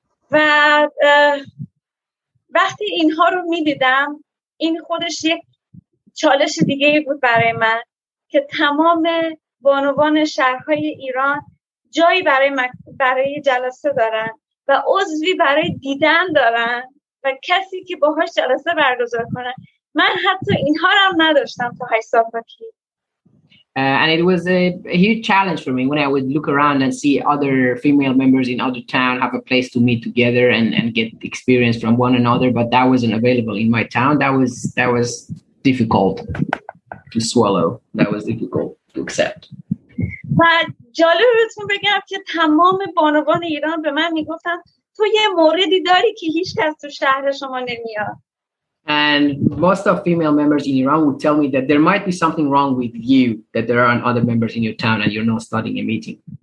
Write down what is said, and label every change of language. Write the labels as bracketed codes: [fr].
[fa] بعد وقتی اینها رو می‌دیدم این خودش یک چالش دیگه‌ای بود برای من که تمام بانوان شهرهای ایران جایی برای جلسه دارن و عضوی برای دیدن دارن و کسی که باهاش جلسه برگزار کنه. من حتی اینها رو هم نداشتم تو 8 سال پیش. [en] And it was a huge challenge for me when I would look around and see other female members in other town have a place to meet together and get experience from one another, but that wasn't available in my town. That was difficult to swallow. That was difficult to accept. But [fa] جالب بهتون بگم که تمام بانوان ایران به من میگفتن تو یه موردی داری که هیچ کس تو شهر شما نمیاد. [en] And most of female members in Iran would tell me that there might be something wrong with you, that there aren't other members in your town and you're not starting a meeting.